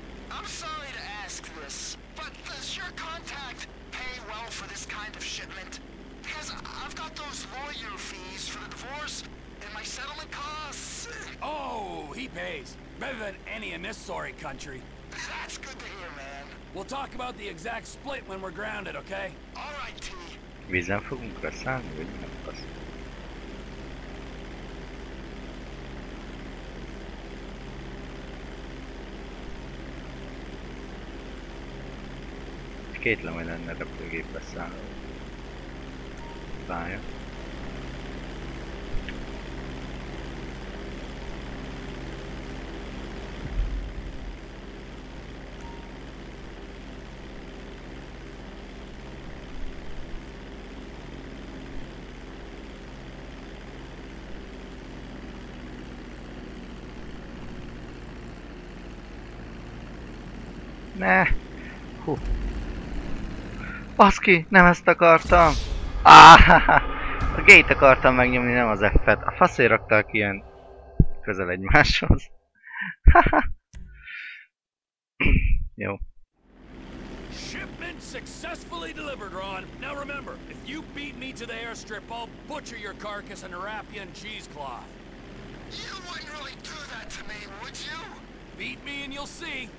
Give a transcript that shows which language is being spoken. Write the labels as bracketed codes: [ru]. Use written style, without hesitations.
[en] I'm sorry to ask this, but does your contact pay well for this kind of shipment? Because I've got those lawyer fees for the divorce and my settlement costs. Oh, he pays. Better than any in this sorry country. That's good to hear, man. We'll talk about the exact split when we're grounded, okay? All right, T. [hu] Vizen fogunk leszállni, vagy nem lesz. Kétlem, hogy lenne repülőgépbe szálló pálya. Ne! Hú! Baszki, nem ezt akartam! A gate akartam megnyomni, nem az F-et. A faszért rakták ilyen közel egymáshoz. Jó. [en] Shipment successfully delivered, Ron. Now remember, if you beat me to the airstrip, I'll butcher your carcass and wrap you in cheesecloth. You wouldn't really do that to me, would you? Beat me and you'll see.